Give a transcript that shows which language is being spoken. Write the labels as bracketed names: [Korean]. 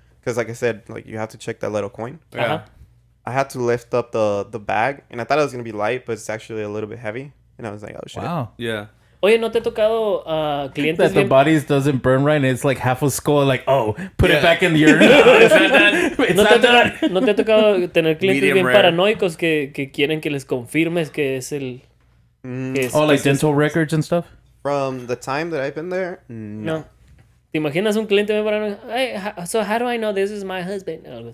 [English] Because like I said, like you have to check that little coin. Yeah. Uh-huh. I had to lift up the bag and I thought it was going to be light, but it's actually a little bit heavy. And I was like, oh, shit. Wow. Yeah. [Spanish] Oye, ¿no te ha tocado clientes? [English] That the body doesn't burn right and it's like half a skull. Like, oh, put it back in the urn. [Spanish] ¿No te ha tocado tener clientes bien paranoicos que quieren que les confirmes que es el... [English] Oh, like dental records and stuff? From the time that I've been there, no. [Spanish] ¿Te imaginas un cliente me paran? [English] Hey, so how do I know this is my husband?